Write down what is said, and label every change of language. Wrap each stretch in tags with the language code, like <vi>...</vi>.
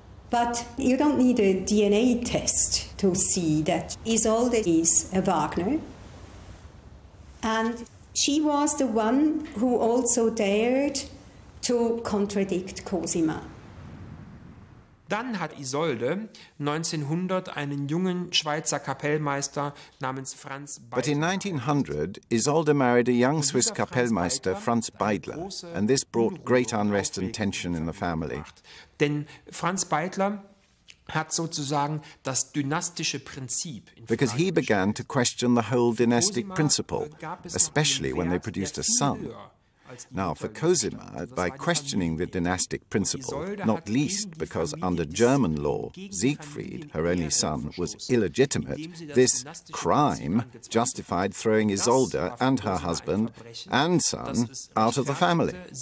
<en>But you don't need a DNA test to see that Isolde is a Wagner. And she was the one who also dared to contradict Cosima.</en> <de>Dann hat Isolde 1900 einen jungen Schweizer Kapellmeister namens Franz Beidler.</de> <en>But in 1900, Isolde married a young Swiss Kapellmeister, Franz Beidler, and this brought great unrest and tension in the family.</en> <de>Denn Franz Beidler hat sozusagen das dynastische Prinzip.</de> <en>Because he began to question the whole dynastic principle, especially when they produced a son. Now, for Cosima, by questioning the dynastic principle, not least because under German law, Siegfried, her only son, was illegitimate, this crime justified throwing Isolde and her husband and son out of the family.</en>